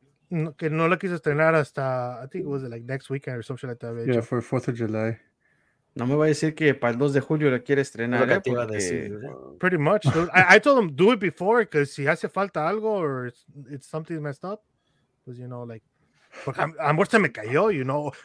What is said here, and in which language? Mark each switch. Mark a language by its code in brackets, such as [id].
[en] Like, [es] no la quiso estrenar hasta, [en] I think it was like next weekend or something like that. Yeah, hecho. For 4th of July. [es] No me va a decir que para el 2 de julio la quiere estrenar. No, porque... [en] Pretty much. I told him, do it before, because [es] si hace falta algo [en] or it's something messed up, because, you know, like, [es] porque a muerte se me cayó, [en] you know.